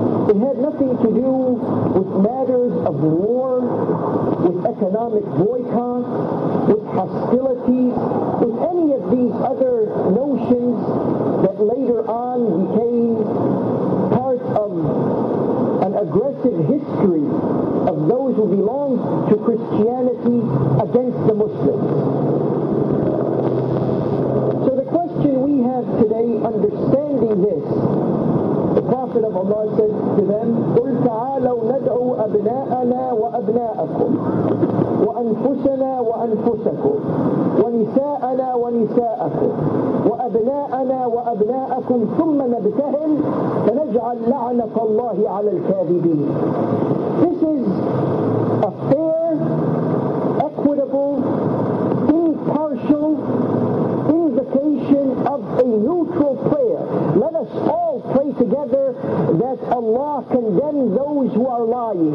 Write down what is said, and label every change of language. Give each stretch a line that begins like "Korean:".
English: It had nothing to do with matters of war, with economic boycott, with hostilities, with any of these other notions that later on became part of an aggressive history of those who belonged to Christianity against the Muslims. So the question we have today, understanding this, Prophet of Allah said to them,
Arabic: قُلْ تَعَالَوْ نَدْعُوا أَبْنَاءَنَا وَأَبْنَاءَكُمْ وَأَنْفُسَنَا وَأَنْفُسَكُمْ وَنِسَاءَنَا وَنِسَاءَكُمْ وَأَبْنَاءَنَا وَأَبْنَاءَكُمْ ثُمَّ نَبْتَهِلْ فَنَجْعَلْ لَعْنَةَ اللَّهِ عَلَى الْكَاذِبِينَ.
English: This is a fair, equitable, impartial invocation of a neutral prayer. Let us all pray together that Allah condemn those who are lying.